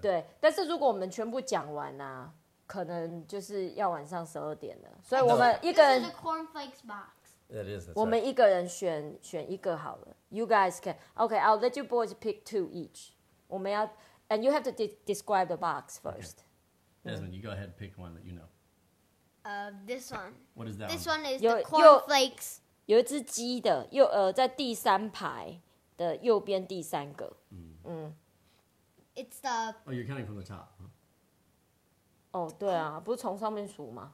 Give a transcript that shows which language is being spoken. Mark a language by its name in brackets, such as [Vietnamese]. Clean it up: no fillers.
[Chinese] 对，但是如果我们全部讲完啊，可能就是要晚上十二点了，所以我们一个人。 [English] This is a cornflakes box. It is, right. [Chinese] 我们一个人选一个好了。 [English] You guys can. Okay, I'll let you boys pick two each. [Chinese] 我们要 [English] And you have to describe the box first. Okay. Desmond,、mm-hmm. you go ahead and pick one that you know. This one. What is that This one is the cornflakes. [Chinese] 有一只鸡的右、在第三排的右边第三个。 Mm. Mm. [English] It's the... Oh, you're counting from the top. [Chinese] 哦，对啊，不是从上面数吗？